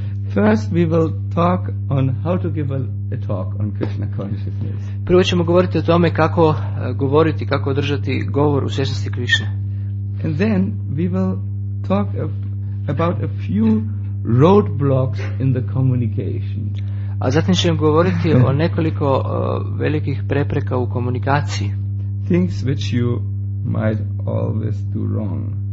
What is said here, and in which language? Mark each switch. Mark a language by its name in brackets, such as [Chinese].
[English] First we will talk on how to give a talk on Krishna consciousness. [Croatian] Prvo ćemo govoriti o tome kako govoriti, kako održati govor u svjesnosti Krišne. [English] And then we will talk about a few roadblocks in the communication. [Croatian] A zatim ćemo govoriti o nekoliko velikih prepreka u komunikaciji. [English] Things which you might always do wrong.